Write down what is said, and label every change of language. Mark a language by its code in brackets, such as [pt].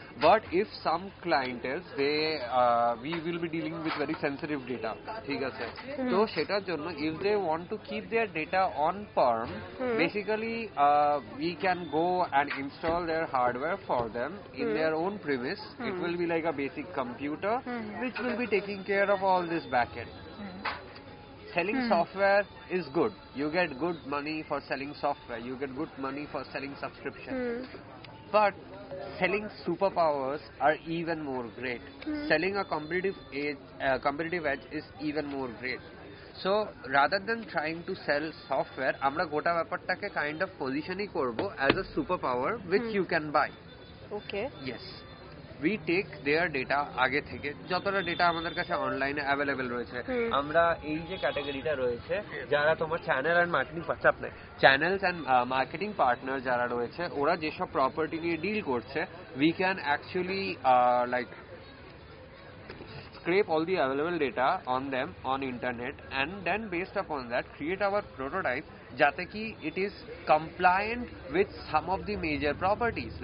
[en] but if some clients they we will be dealing with very sensitive data, [bn] ঠিক আছে? তো সেটার জন্য [en] If they want to keep their data on prem, basically we can go and install their hardware for them in their own premise. It will be like a basic computer which will be taking care of all this back end. Selling software is good. You get good money for selling software. You get good money for selling subscription. But selling superpowers are even more great. Selling a competitive edge is even more great. So rather than trying to sell software, [bn] amra gota byaparke [en] kind of [bn] positioni korbo [en] as a superpower which you can buy. Okay. Yes. We take their data [bn] আগে থেকে, যতটা data আমাদের কাছে অনলাইনে available রয়েছে। আমরা এই যে ক্যাটাগরিটা রয়েছে যারা তোমার চ্যানেল অ্যান্ড মার্কেটিং পার্টনার, আপনার চ্যানেলস অ্যান্ড মার্কেটিং পার্টনার যারা রয়েছে, ওরা যেসব প্রপার্টি নিয়ে ডিল করছে, [en] we can actually like scrape all the available data on them on internet and then based upon that create our prototype [bn] jate ki [en] it is compliant with some of the major properties.